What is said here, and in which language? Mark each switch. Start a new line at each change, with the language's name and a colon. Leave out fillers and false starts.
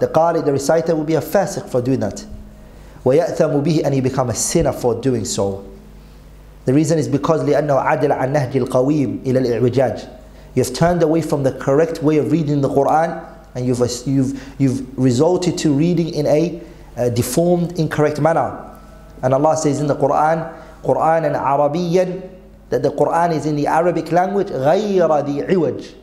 English: The qari, the reciter, will be a fasiq for doing that.
Arabic: وَيَأْثَمُ بِهِ.
English: And he become a sinner for doing so. The reason is because
Arabic: لِأَنَّهُ عَدِلَ عَنْ نَهْجِ الْقَوِيمِ إِلَى الْإِعْوِجَاجِ.
English: You've turned away from the correct way of reading the Qur'an, and you've resorted to reading in a deformed, incorrect manner. And Allah says in the Qur'an,
Arabic: قُرْآنًا عَرَبِيًّا,
English: that the Qur'an is in the Arabic language,
Arabic: غَيْرَ الْإِعْوَجِ.